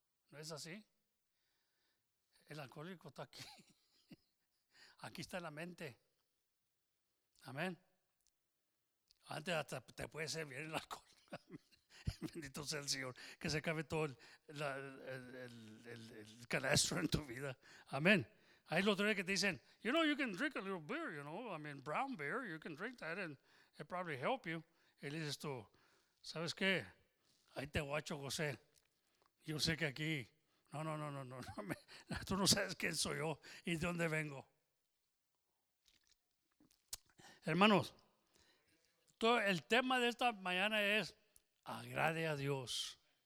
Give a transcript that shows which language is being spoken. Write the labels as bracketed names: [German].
[Spanish] No es así. El alcohólico está aquí. Aquí está la mente. Amén. Antes hasta te puede ser bien el alcohol. Bendito sea el Señor, que se acabe todo el canastro en tu vida. Amén. Hay los tres que te dicen, [English] you know, you can drink a little beer, you know, I mean, brown beer, you can drink that and it probably help you. [Spanish] Y le dices tú, ¿sabes qué? Ahí te guacho, José. Yo sé que aquí, no, tú no sabes quién soy yo y de dónde vengo. Hermanos, todo el tema de esta mañana es agrade a Dios.